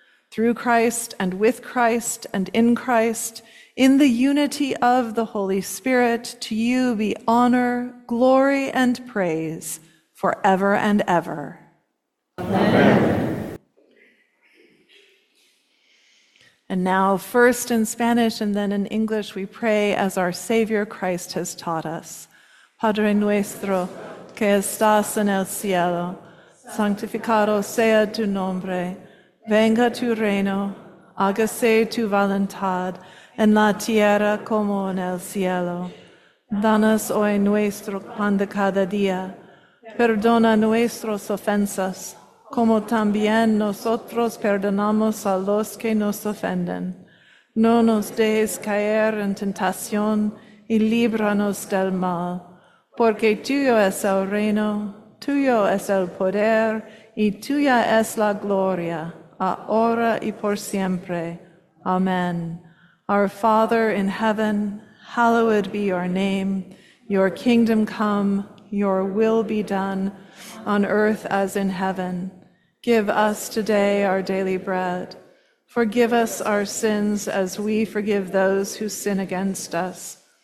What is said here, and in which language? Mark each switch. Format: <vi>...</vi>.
<en>Through Christ and with Christ and in Christ, in the unity of the Holy Spirit, to you be honor, glory, and praise forever and ever. Amen. And now, first in Spanish and then in English, we pray as our Savior Christ has taught us.</en> <es>Padre nuestro, que estás en el cielo, santificado sea tu nombre, venga tu reino, hágase tu voluntad, en la tierra como en el cielo. Danos hoy nuestro pan de cada día, perdona nuestras ofensas, como también nosotros perdonamos a los que nos ofenden. No nos dejes caer en tentación y líbranos del mal. Porque tuyo es el reino, tuyo es el poder y tuya es la gloria, ahora y por siempre. Amen.</es> <en>Our Father in heaven, hallowed be your name. Your kingdom come, your will be done, on earth as in heaven. Give us today our daily bread. Forgive us our sins as we forgive those who sin against us.</en>